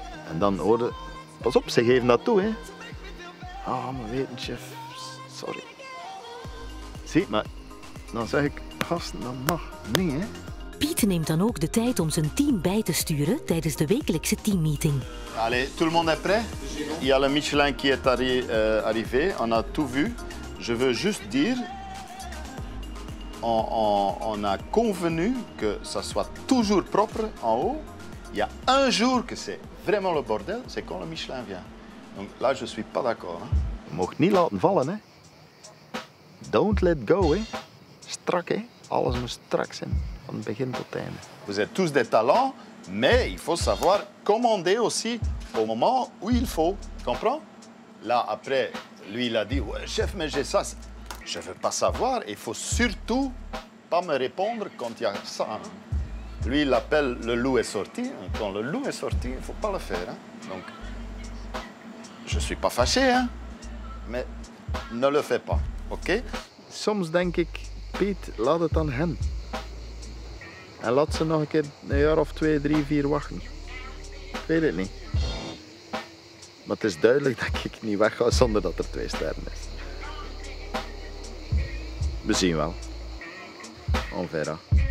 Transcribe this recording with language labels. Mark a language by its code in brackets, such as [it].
[nl] En dan hoorde, pas op, ze geven dat toe. Ah, oh, maar weet je, chef, sorry. Zie, maar dan zeg ik, gasten, dat mag niet. Hè. Piet neemt dan ook de tijd om zijn team bij te sturen tijdens de wekelijkse teammeeting. [fr] Allez, tout le monde est prêt? Il y a le Michelin qui est arrivé, on a tout vu. Je veux juste dire, on a convenu que ça soit toujours propre en haut. Il y a un jour que c'est vraiment le bordel, c'est quand le Michelin vient. Donc là, je ne suis pas d'accord. [nl] Je mag niet laten vallen, hè. [en] Don't let go, [nl] hè. Strak, hè. Alles moet strak zijn, van begin tot einde. [fr] Vous êtes tous des talents, mais il faut savoir commander aussi au moment où il faut. Comprends? Là, après, lui, il a dit, ouais, chef, mais j'ai ça. Je veux pas savoir. Il faut surtout pas me répondre quand il y a ça. Lui, il appelle le loup est sorti. Quand le loup est sorti, il faut pas le faire. Hein? Donc, je suis pas fâché, hein? Mais ne le fais pas, OK? [nl] Soms denk ik, Piet, laat het aan hen. En laat ze nog een keer een jaar of 2, 3, 4 wachten. Ik weet het niet. Maar het is duidelijk dat ik niet weg ga zonder dat er 2 sterren is. We zien wel. [fr] On verra.